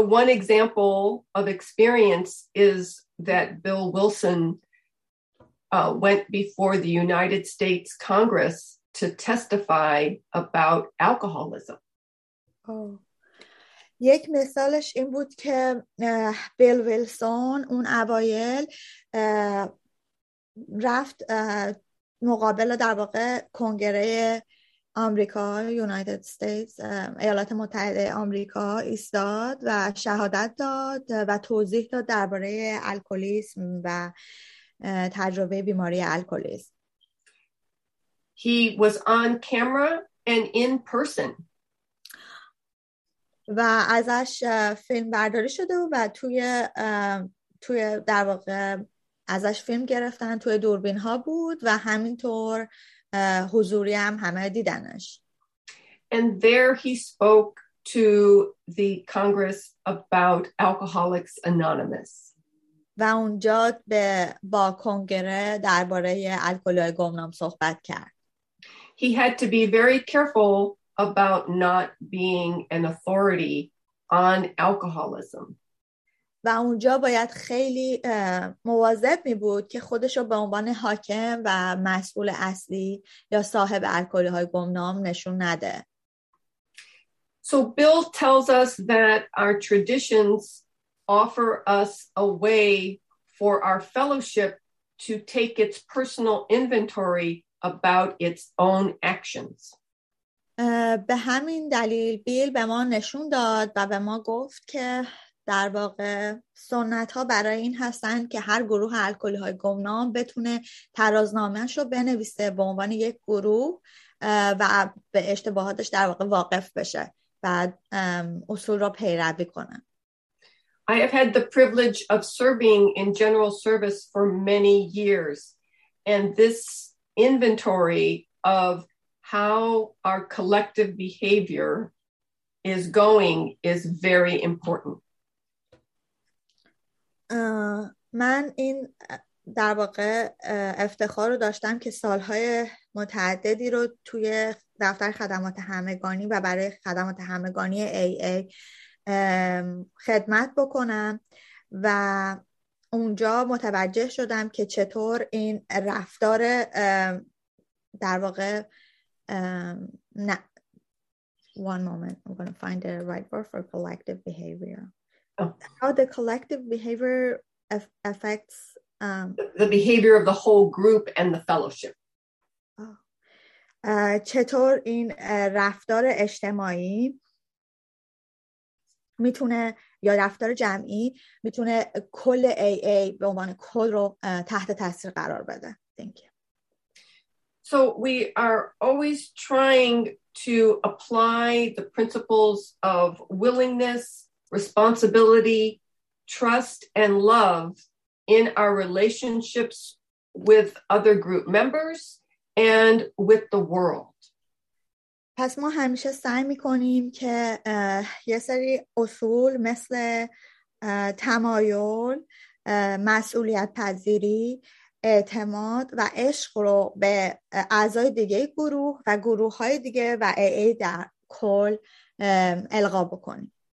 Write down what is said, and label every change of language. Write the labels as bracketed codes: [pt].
[en] one example of experience is that Bill Wilson went before the United States Congress to testify about alcoholism. [fa] یک مثالش این بود که بیل ویلسون اون اوایل رفت مقابل در واقع کنگره آمریکا، یونایتد استیتس، ایالات متحده آمریکا ایستاد و شهادت داد و توضیح داد درباره الکلیسم و تجربه بیماری الکلیسم. [en] He was on camera and in person. [fa] و ازش فیلم برداری شده و توی در واقع ازش فیلم گرفتن، توی دوربین ها بود و همینطور حضوری هم همه دیدنش. [en] And there he spoke to the Congress about Alcoholics Anonymous. [fa] و اونجا با کنگره درباره الکلی های گمنام صحبت کرد. [en] He had to be very careful about not being an authority on alcoholism. [fa] و اونجا باید خیلی مواظب می بود که خودشو به عنوان حاکم و مسئول اصلی یا صاحب الکلی های گمنام نشون نده. [en] So Bill tells us that our traditions offer us a way for our fellowship to take its personal inventory about its own actions. [fa] به همین دلیل بیل به ما نشون داد و به ما گفت که در واقع سنت ها برای این هستن که هر گروه الکلی های گمنام بتونه ترازنامه‌اش رو بنویسه به عنوان یک گروه و به اشتباهاتش در واقع واقف بشه و اصول رو پیروی کنه. [en] I have had the privilege of serving in general service for many years and this inventory of how our collective behavior is going is very important. [fa] من این در واقع افتخار رو داشتم که سالهای متعددی رو توی دفتر خدمات همگانی و برای خدمات همگانی AA خدمت بکنم و اونجا متوجه شدم که چطور این رفتار در واقع نه [en] one moment I'm going to find the right word for collective behavior how the collective behavior affects the behavior of the whole group and the fellowship [fa] چطور این رفتار اجتماعی میتونه یا رفتار جمعی میتونه کل AA به عنوان کل رو تحت تاثیر قرار بده [en] thank you so we are always trying to apply the principles of willingness responsibility trust and love in our relationships with other group members and with the world. [fa] پس ما همیشه سعی می‌کنیم که یه سری اصول مثل تمایل، مسئولیت پذیری، اعتماد و عشق رو به اعضای دیگه گروه و گروه‌های دیگه و AA در کل القا بکنیم.